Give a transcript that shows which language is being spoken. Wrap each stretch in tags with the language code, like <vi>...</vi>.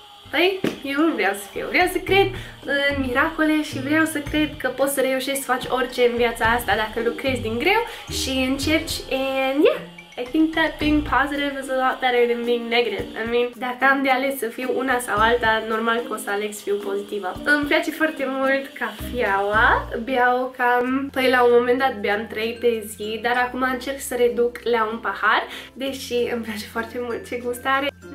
<ro>Păi, eu nu vreau să fiu. Vreau să cred în miracole și vreau să cred că poți să reușești să faci orice în viața asta dacă lucrezi din greu și încerci.</ro> <en>And yeah, I think that being positive is a lot better than being negative. I mean,</en> <ro>dacă am de ales să fiu una sau alta, normal că o să aleg să fiu pozitivă. Îmi place foarte mult cafeaua. Beau cam... Păi, la un moment dat beam 3 pe zi, dar acum încerc să reduc la un pahar, deși îmi place foarte mult ce gust are.</ro>